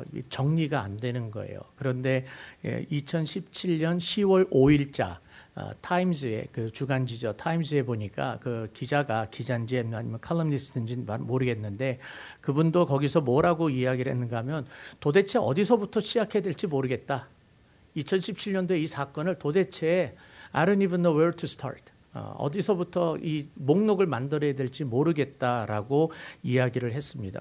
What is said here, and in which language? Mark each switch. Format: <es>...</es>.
<ko>정리가 안 되는 거예요. 그런데 2017년 10월 5일자 타임즈에 그 주간지죠. 타임즈에 보니까 그 기자가 기자인지 아니면 칼럼니스트인지 모르겠는데 그분도 거기서 뭐라고 이야기를 했는가 하면 도대체 어디서부터 시작해야 될지 모르겠다. 2017년도에 이 사건을 도대체</ko> <en>I don't even know where to start.</en> <ko>어디서부터 이 목록을 만들어야 될지 모르겠다라고 이야기를 했습니다.</ko>